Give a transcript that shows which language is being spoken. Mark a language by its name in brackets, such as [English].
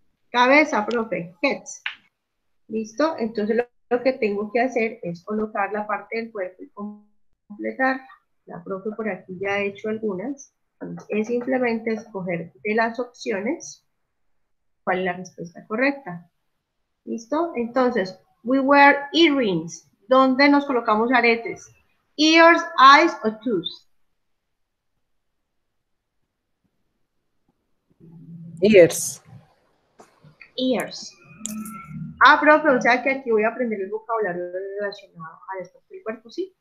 [Spanish] Cabeza, profe, heads. ¿Listo? Entonces lo que tengo que hacer es colocar la parte del cuerpo y completar. La profe por aquí ya ha hecho algunas. Es simplemente escoger de las opciones cuál es la respuesta correcta. ¿Listo? [English] Entonces, we wear earrings. [Spanish] ¿Dónde nos colocamos aretes? [English] Ears, eyes o tooth. Ears. Ears. [Spanish] Ah, profe, o sea que aquí voy a aprender el vocabulario relacionado a esto del cuerpo, ¿sí?